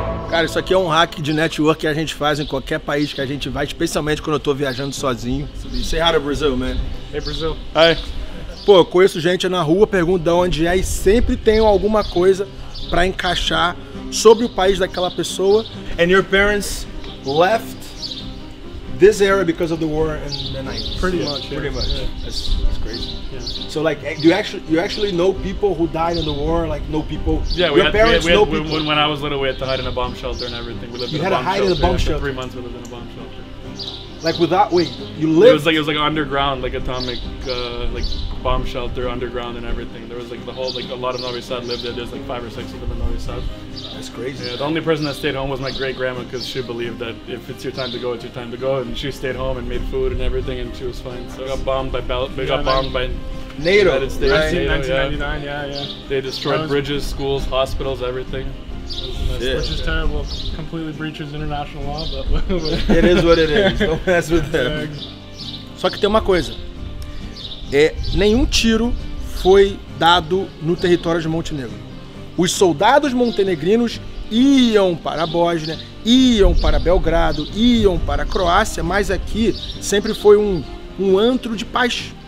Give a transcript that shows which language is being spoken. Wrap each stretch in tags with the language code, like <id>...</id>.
<pt>Cara, isso aqui é um hack de network que a gente faz em qualquer país que a gente vai, especialmente quando eu tô viajando sozinho.</pt> <en>Say hi to Brazil, man. Hey, Brazil. Hi.</en> <pt>Pô, eu conheço gente na rua, pergunto de onde é e sempre tenho alguma coisa pra encaixar sobre o país daquela pessoa.</pt> <en>And your parents left this era because of the war in the 90s. Pretty much. That's crazy. Yeah. So like, do you actually know people who died in the war? Like, know people? Yeah, your parents know people. When I was little, we had to hide in a bomb shelter and everything. You had to hide in a bomb shelter. For 3 months, we lived in a bomb shelter. Like without, wait, you lived? It was like underground, like atomic, like bomb shelter underground and everything. There was like the whole, like a lot of Novi Sad lived there. There's like 5 or 6 of them in Novi Sad. That's crazy. Yeah, the only person that stayed home was my great grandma, because she believed that if it's your time to go, it's your time to go. And she stayed home and made food and everything, and she was fine. So I got bombed by NATO. The United States. Right. NATO, 1999, yeah. They destroyed bridges, schools, hospitals, everything. Which is terrible, completely breaches international law, but... It is what it is, don't mess with them.</en> <pt>Só que tem uma coisa, nenhum tiro foi dado no território de Montenegro. Os soldados montenegrinos iam para a Bósnia, iam para Belgrado, iam para a Croácia, mas aqui sempre foi um antro de paz.</pt>